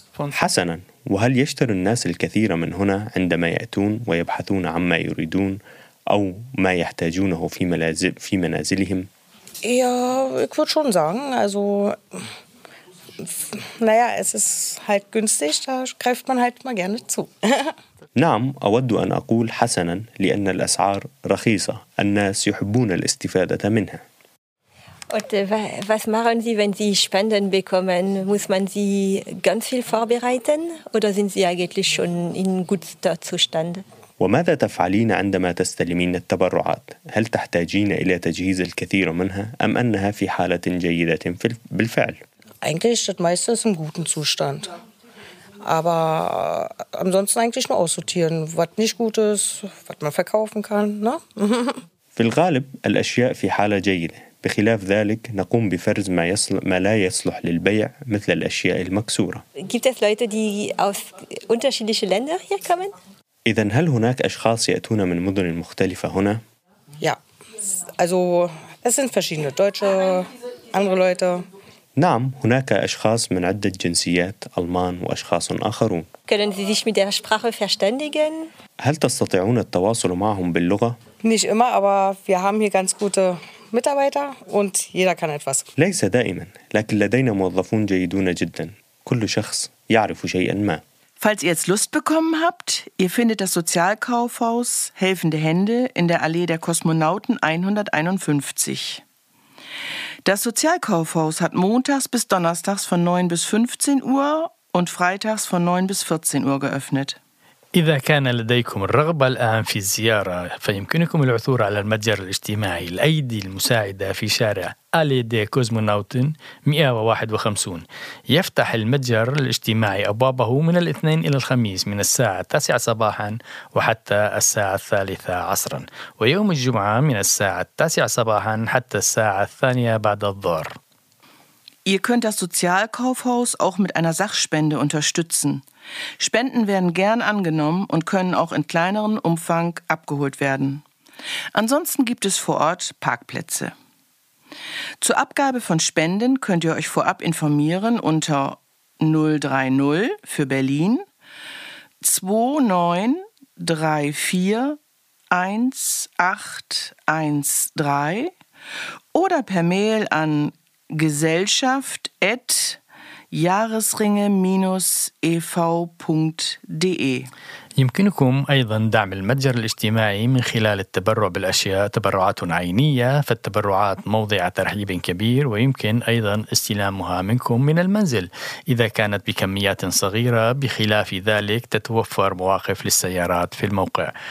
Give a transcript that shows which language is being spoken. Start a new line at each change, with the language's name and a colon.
Arabic: حسنا، وهل يشتري الناس الكثير من هنا عندما يأتون ويبحثون عما يريدون أو ما يحتاجونه في منازلهم؟
German: Ja, ich würde schon sagen, also naja, es ist halt günstig, da greift man halt mal gerne zu.
Arabic: نعم، أود أن أقول حسنا لأن الأسعار رخيصة، الناس يحبون الاستفادة منها.
German: Und was machen Sie, wenn Sie Spenden bekommen? Muss man Sie ganz viel vorbereiten oder sind Sie eigentlich schon in guter Zustand?
Arabic: وماذا تفعلين عندما تستلمين التبرعات؟ هل تحتاجين إلى تجهيز الكثير منها أم أنها في حالة جيدة بالفعل؟
German: Eigentlich das meiste ist im guten Zustand. Aber ansonsten eigentlich nur aussortieren, was nicht gut ist, was man verkaufen kann, ne?
Arabic: في الغالب الأشياء في حالة جيدة. بخلاف ذلك نقوم بفرز ما لا يصلح للبيع مثل الأشياء المكسورة.
German: Gibt es Leute, die aus unterschiedlichen Ländern hier kommen?
Arabic: إذن هل هناك أشخاص يأتون من مدن مختلفة هنا؟
German: Ja, also es sind verschiedene Deutsche, andere Leute.
Arabic: نعم، هناك أشخاص من عدة جنسيات، ألمان وأشخاص آخرون.
German: Können Sie sich mit der Sprache verständigen?
Arabic: هل تستطيعون التواصل معهم باللغة؟
German: Nicht immer, aber wir haben hier ganz gute Mitarbeiter und jeder kann etwas.
Arabic: ليس دائما، لكن لدينا موظفون جيدون جدا. كل شخص يعرف شيئا ما.
German: Falls ihr jetzt Lust bekommen habt, ihr findet das Sozialkaufhaus Helfende Hände in der Allee der Kosmonauten 151. Das Sozialkaufhaus hat montags bis donnerstags von 9 bis 15 Uhr und freitags von 9 bis 14 Uhr geöffnet.
Arabic: إذا كان لديكم الرغبة الآن في الزيارة فيمكنكم العثور على المتجر الاجتماعي الأيدي المساعدة في شارع ألي دي كوزمونوتن 151. يفتح المتجر الاجتماعي أبوابه من الاثنين إلى الخميس من الساعة 9 صباحا وحتى الساعة 3 عصرا، ويوم الجمعة من الساعة 9 صباحا حتى الساعة 2 بعد الظهر.
German: Ihr könnt das Sozialkaufhaus auch mit einer Sachspende unterstützen. Spenden werden gern angenommen und können auch in kleineren Umfang abgeholt werden. Ansonsten gibt es vor Ort Parkplätze. Zur Abgabe von Spenden könnt ihr euch vorab informieren unter 030 für Berlin 2934 1813 oder per Mail an gesellschaft@jahresringe-ev.de.
Arabic: يمكنكم أيضا دعم المتجر الاجتماعي من خلال التبرع بالأشياء تبرعات عينية، فالتبرعات موضع ترحيب كبير، ويمكن أيضا استلامها منكم من المنزل إذا كانت بكميات صغيرة. بخلاف ذلك تتوفر مواقف للسيارات في الموقع.